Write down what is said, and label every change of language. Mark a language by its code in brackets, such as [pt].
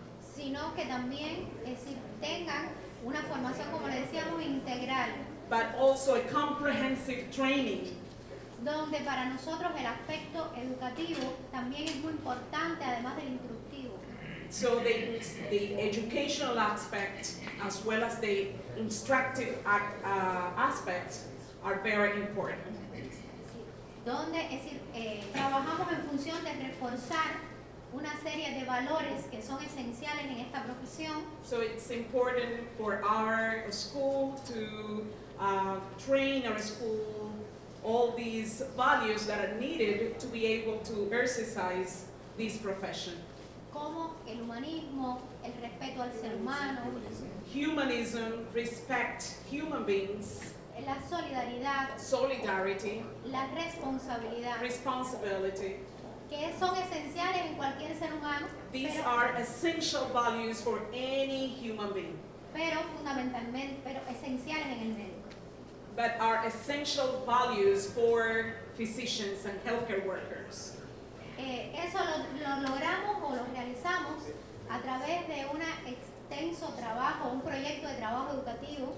[es] Sino que también, tengan una formación, como le decíamos, integral. [en] But also a comprehensive training. [es] Donde para nosotros el aspecto educativo también es muy importante, además del instructivo. [en] So the educational aspect, as well as the instructive aspect, are very important. [es] Donde, trabajamos en función de reforzar una serie de valores que son esenciales en esta profesión. [en] So it's important for our school to train our school all these values that are needed to be able to exercise this profession. [es] Como el humanismo, el respeto al ser humano. [en] Humanism, respect human beings. [es] La solidaridad, [en] solidarity, [es] la responsabilidad, [en] responsibility, [es] que son esenciales en cualquier ser humano. [en] These [es] pero, [en] are essential values for any human being. [es] Pero fundamentalmente, pero esenciales en el médico. [en] But are essential values for physicians and healthcare workers. [es] Eso lo logramos o lo realizamos a través de una extenso trabajo, un proyecto de trabajo educativo.